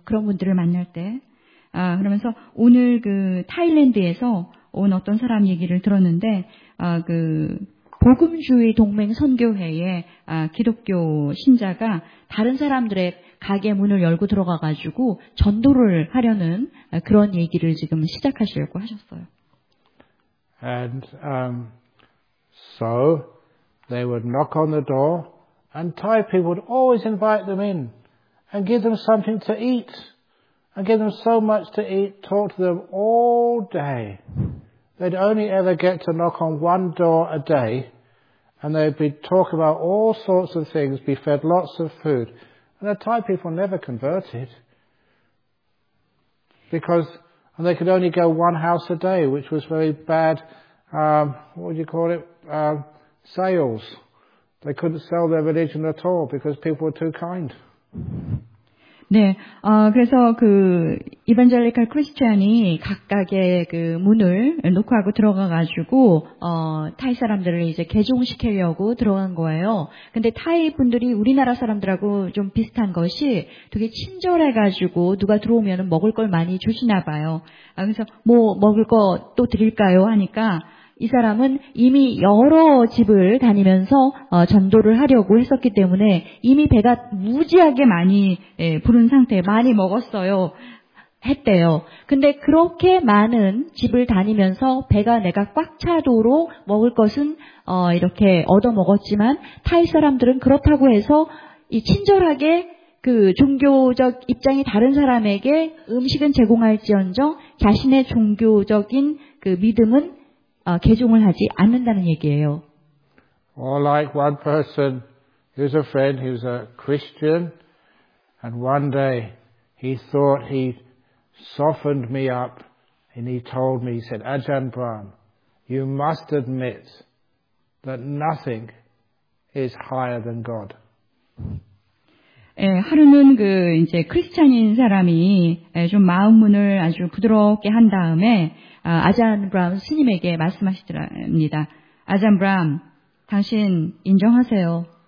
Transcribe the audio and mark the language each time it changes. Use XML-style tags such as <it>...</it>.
<ko>그런 분들을 만날 때. 그러면서 오늘 그 타일랜드에서 온 어떤 사람 얘기를 들었는데 그 복음주의 동맹 선교회에 기독교 신자가 다른 사람들의 가게 문을 열고 들어가가지고 전도를 하려는 그런 얘기를 지금 시작하시려고 하셨어요.</ko> <en>And so they would knock on the door, and Thai people would always invite them in and give them something to eat and give them so much to eat, talk to them all day. They'd only ever get to knock on one door a day, and they'd be talking about all sorts of things, be fed lots of food. And the Thai people never converted, because and they could only go one house a day, which was very bad, what would you call it, sales. They couldn't sell their religion at all, because people were too kind.</en> <ko>네, 그래서 그 이반젤리칼 크리스천이 각각의 그 문을 노크하고 들어가가지고 타이 사람들을 이제 개종시키려고 들어간 거예요. 근데 타이 분들이 우리나라 사람들하고 좀 비슷한 것이 되게 친절해가지고 누가 들어오면 먹을 걸 많이 주시나 봐요. 그래서 뭐 먹을 거 또 드릴까요? 하니까 이 사람은 이미 여러 집을 다니면서 전도를 하려고 했었기 때문에 이미 배가 무지하게 많이 부른 상태, 많이 먹었어요. 했대요. 근데 그렇게 많은 집을 다니면서 배가 내가 꽉 차도록 먹을 것은 이렇게 얻어먹었지만 타이 사람들은 그렇다고 해서 이 친절하게 그 종교적 입장이 다른 사람에게 음식은 제공할지언정 자신의 종교적인 그 믿음은 개종을 하지 않는다는 얘기예요.</ko> <en>Or like one person, he was a friend, he was a Christian, and one day he thought he softened me up, and he told me, he said, Ajahn Brahm, you must admit that nothing is higher than God.</en> <ko>예, 하루는 그 이제 크리스찬인 사람이 좀 마음 문을 아주 부드럽게 한 다음에 아잔 브람 스님에게 말씀하시더랍니다. 아잔 브람, 당신 인정하세요.</ko>